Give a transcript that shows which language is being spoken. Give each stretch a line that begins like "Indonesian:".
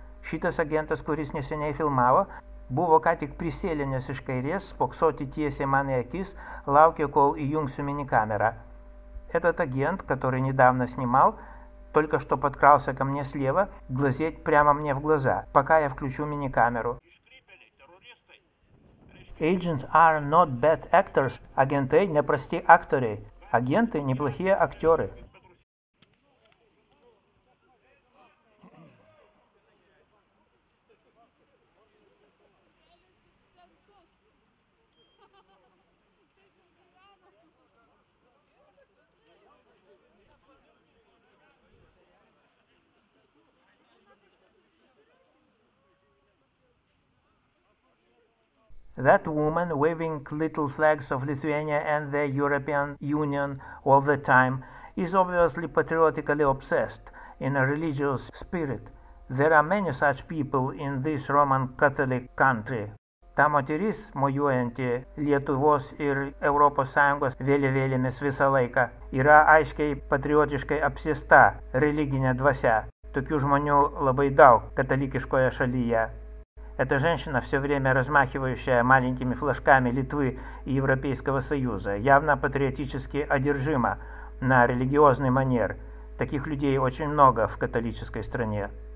Lithuanian: Šitas agentas, kuris neseniai filmavo, buvo ką tik prisėlinęs iš kairės, spoksoti tiesiai man į akis, laukė, kol įjungsiu mini kamerą.
Russian: Этот агент, который недавно снимал, только что подкрался ко мне слева, глазеть прямо мне в глаза, пока я включу мини камеру.
English: Agents are not bad actors.
Russian: Агенты – непростые акторы. Агенты – неплохие актеры.
English: That woman waving little flags of Lithuania and the European Union all the time is obviously patriotically obsessed in a religious spirit. There are many such people in this Roman Catholic country.
Lithuanian: Ta moteris, mojuojanti Lietuvos ir Europos Sąjungos vėliavėlėmis visą laiką, yra aiškiai patriotiškai apsėsta religinė dvasia. Tokių žmonių labai daug katalikiškoje šalyje.
Russian: Эта женщина, все время размахивающая маленькими флажками Литвы и Европейского Союза, явно патриотически одержима на религиозный манер. Таких людей очень много в католической стране.